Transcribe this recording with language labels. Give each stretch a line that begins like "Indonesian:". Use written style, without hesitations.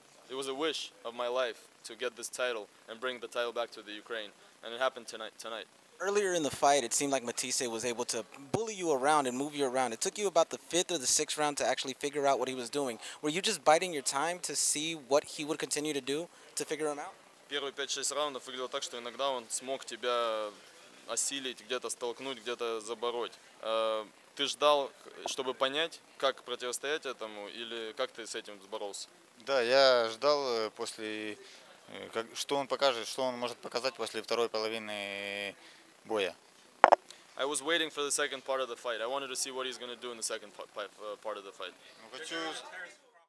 English: It was a wish of my life to get this title and bring the title back to the Ukraine. And it happened tonight. Earlier in the fight, it seemed like Matisse was able to bully you around and move you around. It took you about the fifth or the sixth round to actually figure out what he was doing. Were you just biding your time to see what he would continue to do to figure him out?
Russian: Первые 5-6 раундов выглядело так, что иногда он смог тебя осилить, где-то столкнуть, где-то забороть. Ты ждал, чтобы понять, как противостоять этому, или как ты с этим боролся? Да, я ждал после... Что он покажет, что он может показать после второй половины боя.
English: I was waiting for the second part of the fight. I wanted to see what he's going to do in the second part of the fight.